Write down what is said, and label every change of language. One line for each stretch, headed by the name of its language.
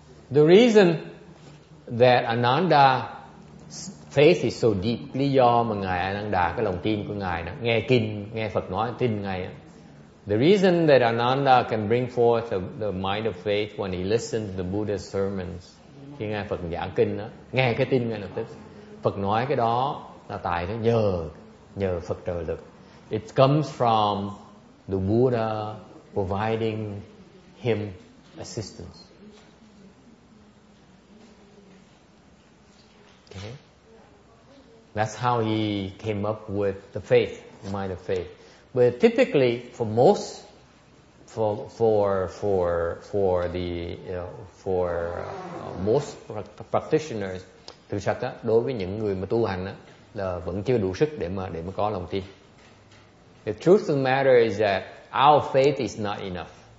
English: The reason that Ananda faith is so deep,
Vietnamese: lý do mà ngài Ananda cái lòng tin của ngài đó, nghe kinh, nghe Phật nói tin ngài đó.
English: The reason that Ananda can bring forth the mind of faith when he listens to the Buddha's sermons,
Vietnamese: khi nghe Phật giảng kinh đó, nghe cái tin ngay lập tức. Phật nói cái đó là tại đó nhờ Phật trợ lực.
English: It comes from the Buddha providing him assistance. Okay. That's how he came up with the faith, mind of faith. But typically, most practitioners,
Vietnamese: thực sự đó, đối với những người mà tu hành đó, là vẫn chưa đủ sức để mà có lòng tin.
English: The truth of the matter is that our faith is not enough.